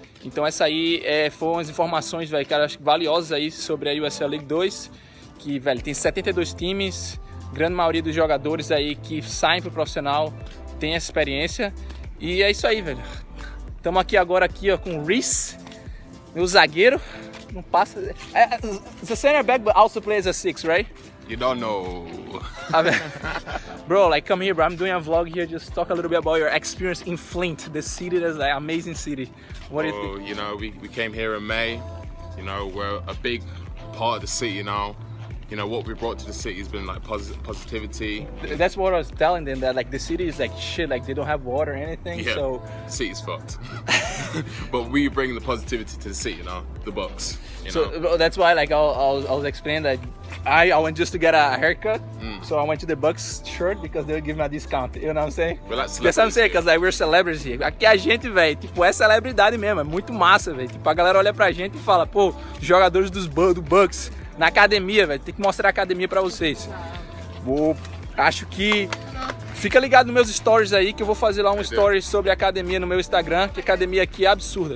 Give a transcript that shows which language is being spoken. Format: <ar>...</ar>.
<pt>Então essa aí foram as informações, véio, que eu acho valiosas aí sobre a USL League 2, que, velho, tem 72 times, grande maioria dos jogadores aí que saem pro profissional tem essa experiência. E é isso aí, velho. Estamos aqui agora aqui, ó, com o Reese, meu zagueiro. Não passa.</pt> <en>The center back but also plays a six, right? You don't know. Bro, like, come here, bro. I'm doing a vlog here. Just talk a little bit about your experience in Flint, the city that's an amazing city. What do you think? You know, we came here in May. You know, we're a big part of the city, you know. You know, what we brought to the city has been, like, positivity. That's what I was telling them, that, like, the city is, like, shit. Like, they don't have water or anything, yeah, so... city's fucked. But we bring the positivity to the city, you know, the Bucks. So, know? That's why, like, I was explaining that I went just to get a haircut, so I went to the Bucks shirt because they'll give me a discount, you know what I'm saying? Well, that's what I'm saying, because, like, we're celebrities here.</en> <pt>Aqui a gente, velho, tipo, é celebridade mesmo, é muito massa, velho. Tipo, a galera olha pra gente e fala, pô, jogadores do Bucks na academia, velho. Tem que mostrar a academia pra vocês. Acho que... Fica ligado nos meus stories aí, que eu vou fazer lá um story sobre academia no meu Instagram, que academia aqui é absurda.</pt>